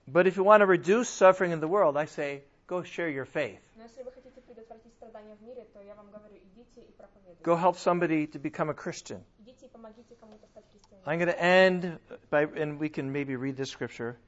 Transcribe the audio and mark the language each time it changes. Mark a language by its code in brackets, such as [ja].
[en] But if you want to reduce suffering in the world, I say, go share your faith. [ru] Но если вы хотите предотвратить страдания в мире, то я вам говорю, идите и проповедуйте. [en] Go help somebody to become a Christian. [ru] Идите и помогите кому-то стать христианином. [en] I'm going to end by, and we can maybe read this scripture.